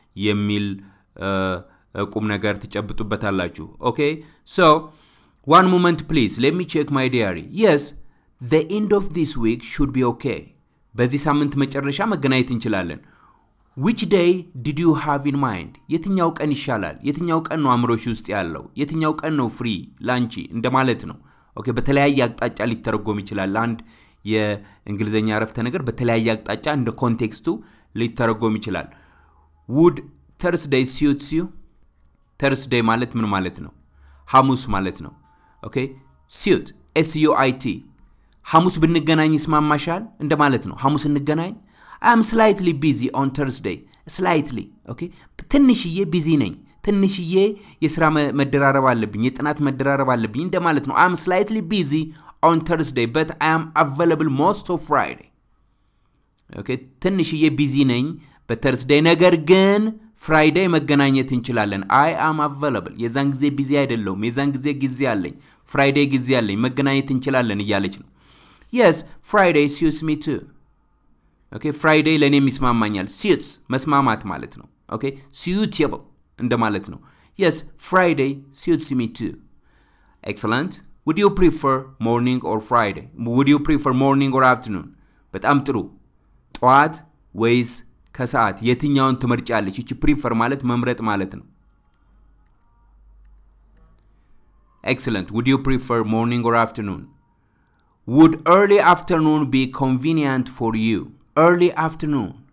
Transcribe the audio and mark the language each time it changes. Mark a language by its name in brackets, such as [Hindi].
[Amharic] የሚል ቁም ነገር ትጨብጡበታላችሁ። [English] ኦኬ ሶ one moment please let me check my diary. Yes, the end of this week should be okay. [Amharic] በዚህ ሳምንት መጨረሻ መገናኘት እንችላለን። [English] Which day did you have in mind? [Amharic] የትኛው ቀን ይሻላል? የትኛው ቀን ነው አምሮሽ ውስጥ ያለው? የትኛው ቀን ነው ፍሪ ላንቺ እንደማለት ነው። ኦኬ በተለያየ አቅጣጫ ሊተረጎም ይችላል። አንድ የእንግሊዘኛ አረፍተ ነገር በተለያየ አቅጣጫ እንደ ኮንቴክስቱ ሊተረጎም ይችላል። [English] Would Thursday suit you? [Amharic] Thursday ማለት ምን ማለት ነው? ሐሙስ ማለት ነው። ኦኬ suit SUIT ሐሙስ ብንገናኝ ይስማማሻል እንደማለት ነው። ሐሙስ እንገናኝ። [English] I'm slightly busy on Thursday. Slightly. Okay? [Amharic] ትንሽዬ busy ነኝ። ትንሽዬ የሥራ መደራረብ አለብኝ፣ የጥናት መደራረብ አለብኝ እንደማለት ነው። [English] I'm slightly busy on Thursday, but I am available most of Friday. Okay? [Amharic] ትንሽዬ busy ነኝ በThursday ነገር ግን Friday መገናኘት እንችላለን። [English] I am available. [Amharic] የዛን ጊዜ busy አይደለሁም። የዛን ጊዜ ጊዜ አለኝ። Friday ጊዜ አለኝ። መገናኘት እንችላለን እያለች ነው። [English] Yes, Friday suits me too. [Amharic] ኦኬ ፍራይዴይ ለኔም ይስማማኛል። suits መስማማት ማለት ነው። ኦኬ suitable እንደማለት ነው። [English] yes friday suits me too. excellent. would you prefer morning or friday? would you prefer morning or afternoon? [Amharic] በጣም ጥሩ። ጠዋት ወይስ ከሰዓት የትኛውን ትመርጫለሽ? እቺ prefer ማለት መምረጥ ማለት ነው። excellent. [English] would you prefer morning or afternoon? would early afternoon be convenient for you? early afternoon.